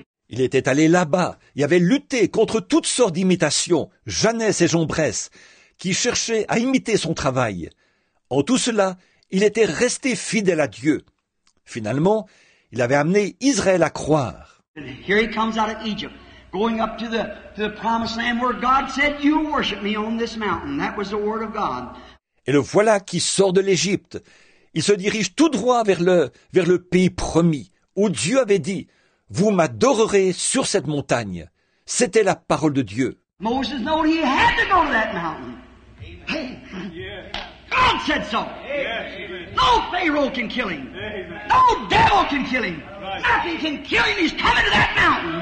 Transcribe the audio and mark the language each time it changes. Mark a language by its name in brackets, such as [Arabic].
[French] Il était allé là-bas, il avait lutté contre toutes sortes d'imitations, Jannès et Jambres, qui cherchaient à imiter son travail. En tout cela, il était resté fidèle à Dieu. Finalement, il avait amené Israël à croire. [English] And here he comes out of Egypt, going up to the promised land where God said, you worship me on this mountain. That was the word of God. [French] Et le voilà qui sort de l'Égypte. Il se dirige tout droit vers le pays promis, où Dieu avait dit, vous m'adorerez sur cette montagne. C'était la parole de Dieu. [English] Moses knew he had to go to that mountain. God said so. Amen. No Pharaoh can kill him. Amen. No devil can kill him. Right. Nothing can kill him. He's coming to that mountain.